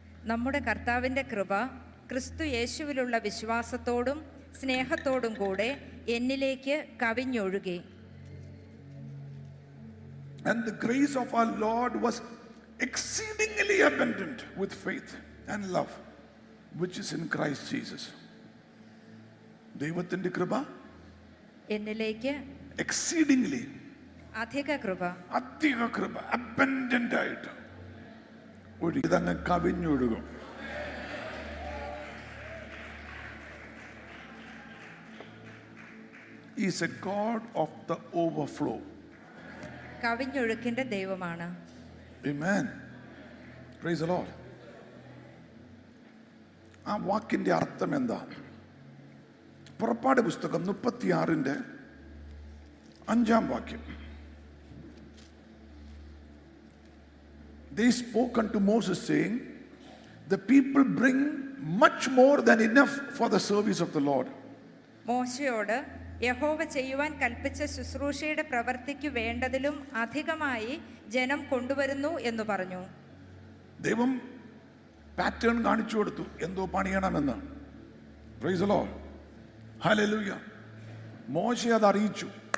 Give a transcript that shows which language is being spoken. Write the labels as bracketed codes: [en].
[ml] നമ്മുടെ കർത്താവിന്റെ കൃപ ക്രിസ്തു യേശുവിലുള്ള വിശ്വാസത്തോടും സ്നേഹത്തോടും കൂടെ എന്നിലേക്ക് കവിഞ്ഞൊഴുകി. [en] And the grace of our Lord was exceedingly abundant with faith and love which is in Christ Jesus. [ml] ദൈവത്തിന്റെ കൃപ എന്നിലേക്ക് [en] exceedingly [ml] അധിക കൃപ abundant ആയിട്ട് ഒഴുകി, ഇതങ്ങ് കവിഞ്ഞൊഴുകും. [en] He is a God of the overflow. [ml] കവിഞ്ഞൊഴുക്കിന്റെ ദൈവമാണ്. [en] Amen. Praise the Lord. [ml] ആ വാക്കിന്റെ അർത്ഥം എന്താ? പുറപ്പാട് പുസ്തകം 36:5. [en] They spoke unto Moses saying, the people bring much more than enough for the service of the Lord. [ml] മോശയോട് യഹോവ ചെയ്യുവാൻ കൽപ്പിച്ച ശുശ്രൂഷയുടെ പ്രവൃത്തിക്ക് വേണ്ടതിലും അധികമായി ജനം കൊണ്ടുവരുന്നു എന്ന് പറഞ്ഞു. ദൈവം പാറ്റേൺ കാണിച്ചു കൊടുത്തു എന്തോ പണിയണമെന്ന്. Praise the Lord. ഹല്ലേലൂയ. മോശെ അത് അറിയിച്ചു.